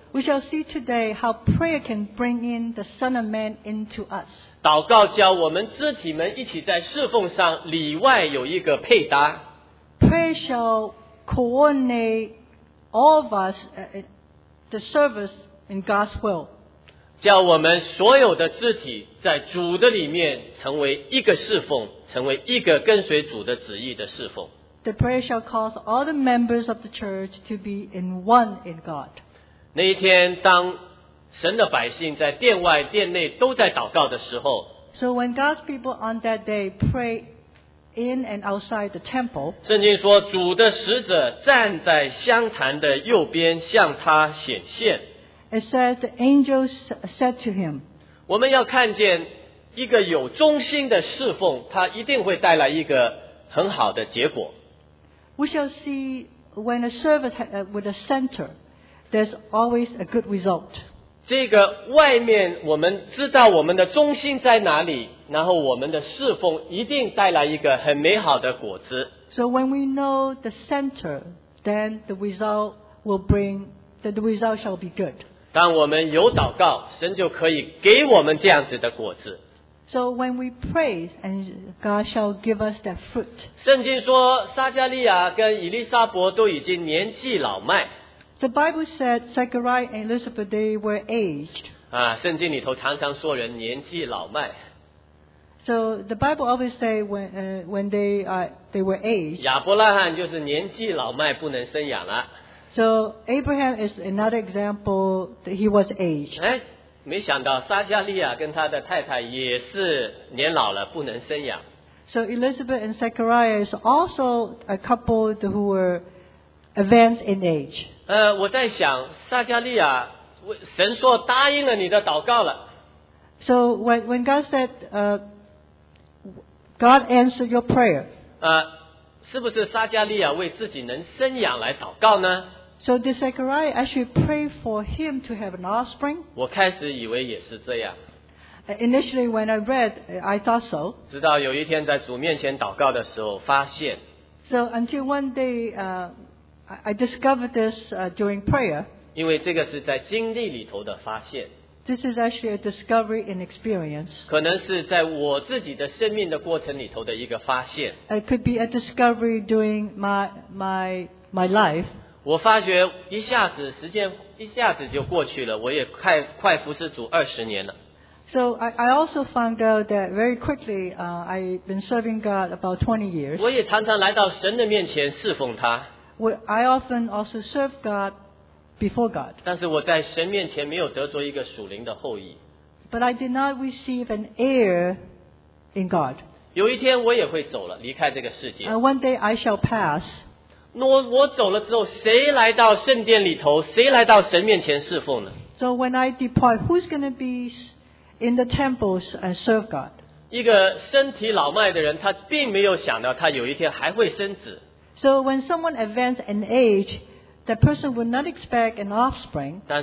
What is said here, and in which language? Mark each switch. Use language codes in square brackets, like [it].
[en] We shall see today how prayer can bring in the Son of Man into us. [zh] 祷告教我们肢体们一起在侍奉上里外有一个配搭。 [en] Prayer shall coordinate all of us the service in God's will. [zh] 叫我们所有的肢体在主的里面成为一个侍奉，成为一个跟随主的旨意的侍奉。 [en] The prayer shall cause all the members of the church to be in one in God. [zh] 那一天，当神的百姓在殿外、殿内都在祷告的时候， [en] So when God's people on that day pray in and outside the temple, [zh] 圣经说主的使者站在香坛的右边向他显现。 [en] It says the angels said to him, [zh] 我们要看见一个有忠心的侍奉，他一定会带来一个很好的结果。 [en] We shall see when a service with a center, there's always a good result. [zh] 这个外面我们知道我们的忠心在哪里，然后我们的侍奉一定带来一个很美好的果子。 [en] So when we know the center, then the result will bring, the result shall be good. [zh] 当我们有祷告，神就可以给我们这样子的果子。 [en] So when we pray, and God shall give us that fruit. [zh] 圣经说，撒加利亚跟以利沙伯都已经年纪老迈。 [en] The Bible said Zechariah and Elizabeth they were aged. [zh] 啊，圣经里头常常说人年纪老迈。 [en] So the Bible always say when they were aged. [zh] 亚伯拉罕就是年纪老迈，不能生养了。 [en] So Abraham is another example that he was aged. [zh] 哎，没想到撒加利亚跟他的太太也是年老了，不能生养。 [en] So Elizabeth and Zechariah is also a couple who were advanced in age. [zh] 我在想撒加利亚，神说答应了你的祷告了。 [en] So when God said, God answered your prayer. [zh] 是不是撒加利亚为自己能生养来祷告呢？ [en] So did Zechariah actually pray for him to have an offspring? [zh] 我开始以为也是这样。 [en] Initially, when I read, I thought so. [zh] 直到有一天在主面前祷告的时候，发现。 [en] So until one day, I discovered this during prayer. [zh] 因为这个是在经历里头的发现。 [en] This is actually a discovery in experience. [zh] 可能是在我自己的生命的过程里头的一个发现。 [en] It could be a discovery during my life. [zh] 我发觉一下子时间一下子就过去了，我也快服侍主二十年了。 [en] So I also found out that very quickly, I've been serving God about 20 years. [zh] 我也常常来到神的面前侍奉他。 [en] I often also serve God before God. [zh] 但是我在神面前没有得着一个属灵的后裔。 [en] But I did not receive an heir in God. [zh] 有一天我也会走了，离开这个世界。 [en] One day I shall pass. [zh] 我走了之后，谁来到圣殿里头？谁来到神面前侍奉呢？ [en] So when I depart, who's going to be in the temples and serve God? [zh] 一个身体老迈的人，他并没有想到他有一天还会生子。 [en] So when someone advances in age, that person would not expect an offspring.